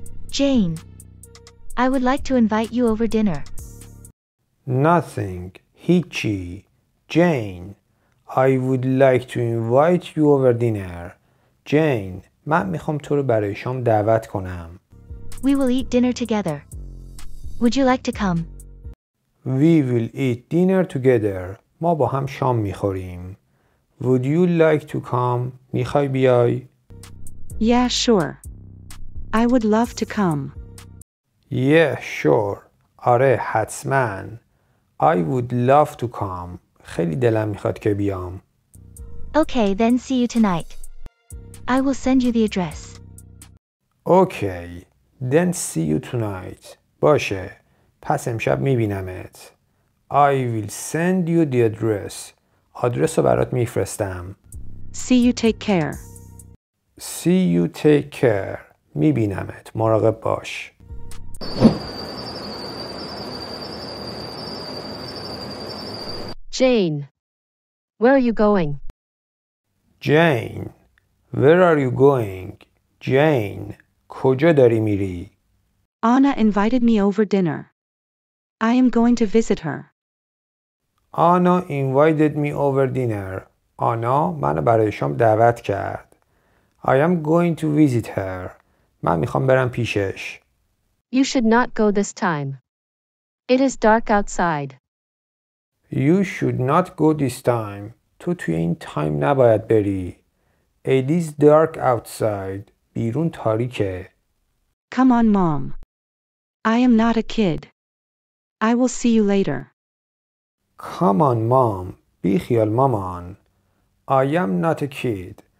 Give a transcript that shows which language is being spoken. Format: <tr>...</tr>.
<en>Jane, I would like to invite you over dinner. Nothing.</en> <fa>هیچی.</fa> <en>Jane, I would like to invite you over dinner.</en> <fa>Jane, من میخوام تو رو برای شام دعوت کنم.</fa> <en>We will eat dinner together. Would you like to come? We will eat dinner together.</en> <fa>ما با هم شام میخوریم.</fa> <en>Would you like to come?</en> <fa>میخوای بیای؟</fa> <en>Yeah, sure. I would love to come. Yeah, sure.</en> <fa>آره, حتماً.</fa> <en>I would love to come.</en> <fa>خیلی دلم میخواد که بیام.</fa> <en>Okay, then see you tonight. I will send you the address. Okay, then see you tonight.</en> <fa>باشه. پس امشب میبینمت.</fa> <en>I will send you the address.</en> <fa>آدرس رو برات میفرستم.</fa> <en>See you, take care. See you, take care.</en> <fa>میبینمت. مراقب باش.</fa> <en>Jane, where are you going? Jane, where are you going?</en> <fa>Jane, کجا داری میری؟</fa> <en>Anna invited me over dinner. I am going to visit her. Anna invited me over dinner.</en> <fa>Anna منو برای شام دعوت کرد.</fa> <en>I am going to visit her.</en> <fa>من میخوام برم پیشش.</fa> <en>You should not go this time. It is dark outside. You should not go this time.</en> <fa>تو توی این تایم نباید بری.</fa> <en>It is dark outside.</en> <fa>بیرون تاریکه.</fa> <en>Come on, mom. I am not a kid. I will see you later. Come on, mom.</en> <fa>بی خیال مامان.</fa> <en>I am not a kid.</en>